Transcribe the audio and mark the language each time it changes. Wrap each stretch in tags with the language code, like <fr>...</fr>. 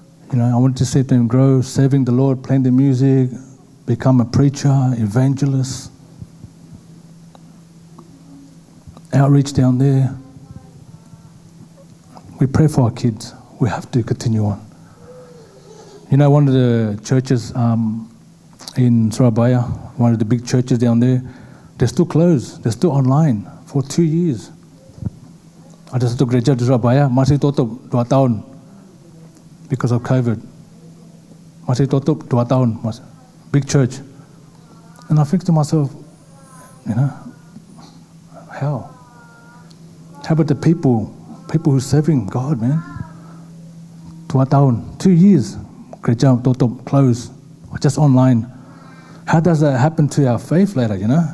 <en>You know, I want to see them grow, serving the Lord, playing the music, become a preacher, evangelist, outreach down there. We pray for our kids. We have to continue on. You know, one of the churches in Surabaya, one of the big churches down there, they're still closed. They're still online for 2 years.</en> <id>Ada satu gereja di Surabaya masih tutup 2 tahun</id> <en>because of COVID.</en> <id>Masih tutup 2 tahun,</id> <en>big church. And I think to myself, you know, how? How about the people who are serving God, man? 2 years. close, or just online. How does that happen to our faith later, you know?</en>